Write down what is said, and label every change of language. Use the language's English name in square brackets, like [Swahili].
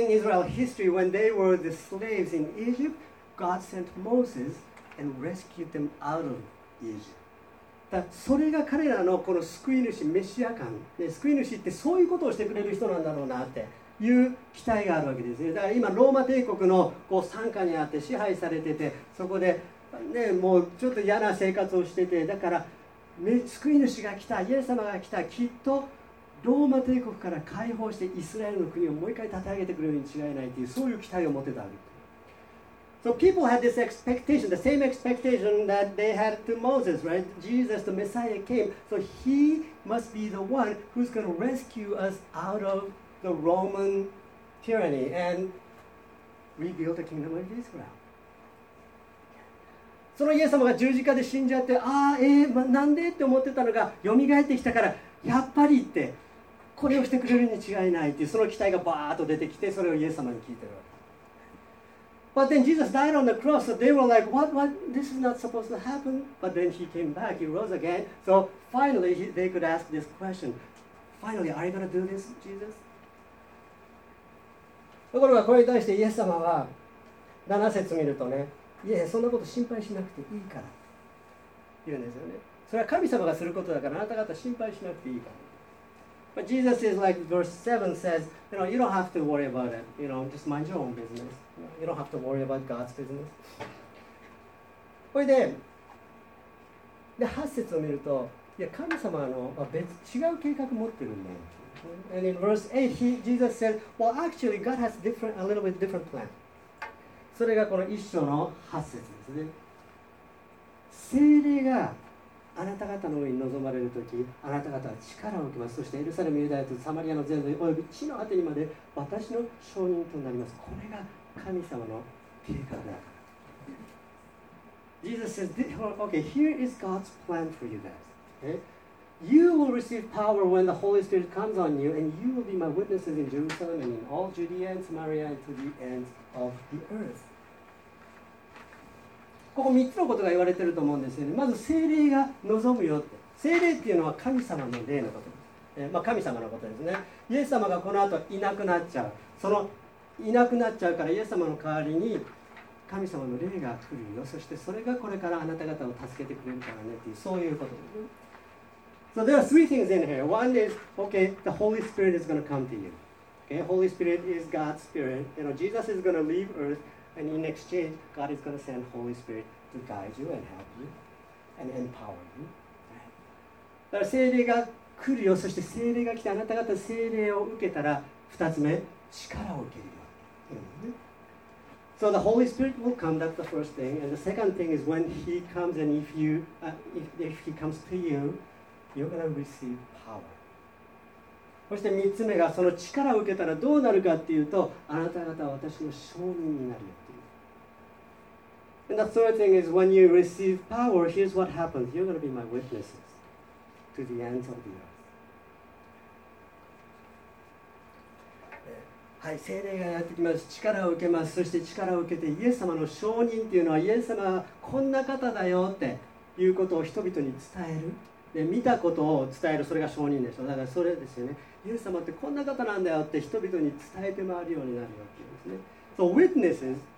[English] Like in Israel history, when they were the slaves in Egypt, God sent Moses and rescued them out of Egypt. [Japanese] だ、それが彼らのこの救い主メシア感、ね、救い主ってそういうことをしてくれる人なんだろうなっていう期待があるわけですね。だから今ローマ帝国のこう傘下にあって支配されてて、そこで、ね、もうちょっと嫌な生活をしてて、だから救い主が来た、イエス様が来た、きっとローマ帝国から解放してイスラエルの国をもう一回立て上げてくれるに違いないという、そういう期待を持てた。 [English] So people had this expectation, the same expectation that they had to Moses, right? Jesus, the Messiah came, so he must be the one who's going to rescue us out of the Roman tyranny and rebuild the kingdom of Israel. [Japanese] そのイエス様が十字架で死んじゃって、なんでって思ってたのが、蘇ってきたから、やっぱりって、これをしてくれるに違いないっていう、その期待がバーッと出てきて、それをイエス様に聞いてるわけ。 [English] But then Jesus died on the cross, so they were like, what, this is not supposed to happen. But then he came back, he rose again. So finally, they could ask this question. Finally, are you going to do this, Jesus? [Japanese] ところがこれに対してイエス様は、7節見るとね、いやそんなこと心配しなくていいから。言うんですよね。それは神様がすることだから、あなた方心配しなくていいから。 [English] But Jesus is like verse 7 says, you know, you don't have to worry about it. You know, just mind your own business. You don't have to worry about God's business. [Japanese] これで、8節を見ると、いや神様の別違う計画持ってるんだよ。 [English] And in verse 8, Jesus said, well, actually, God has different, a little bit different plan. [Japanese] それがこの1章の8節ですね。聖霊があなた方の上に臨まれるとき、あなた方は力を受けます。そしてエルサレム、ユダヤとサマリアの全土および地の果てにまで私の証人となります。これが神様の計画だ。 [English] Jesus says, okay, here is God's plan for you guys. You will receive power when the Holy Spirit comes on you, and you will be my witnesses in Jerusalem and in all Judea and Samaria and to the ends of the earth. [Japanese] ここ3つのことが言われていると思うんですよね。まず聖霊が望むよって。聖霊っていうのは神様の霊のこと、神様のことですね。イエス様がこの後いなくなっちゃう、そのいなくなっちゃうからイエス様の代わりに神様の霊が来るよ、そしてそれがこれからあなた方を助けてくれるからねっていう、そういうことです。 [English] So there are three things in here. One is, okay, the Holy Spirit is going to come to you. Okay, Holy Spirit is God's Spirit. You know, Jesus is going to leave earthAnd in exchange, God is going to send Holy Spirit to guide you and help you and empower you. [Japanese] だから聖霊が来るよ、そして聖霊が来てあなた方聖霊を受けたら、二つ目、力を受けるよ。 [English] So the Holy Spirit will come, that's the first thing. And the second thing is when He comes and if He comes to you, you're going to receive power. [Japanese] そして三つ目が、その力を受けたらどうなるかっていうと、あなた方は私の証人になるよ。 [English] And the third thing is when you receive power, here's what happens. You're going to be my witnesses to the ends of the earth. [Japanese] はい、聖霊がやってきます。力を受けます。そして力を受けて、イエス様の証人っていうのは、イエス様はこんな方だよっていうことを人々に伝える。で、見たことを伝える。それが証人でしょ。だからそれですよね。イエス様ってこんな方なんだよって人々に伝えて回るようになるわけですね。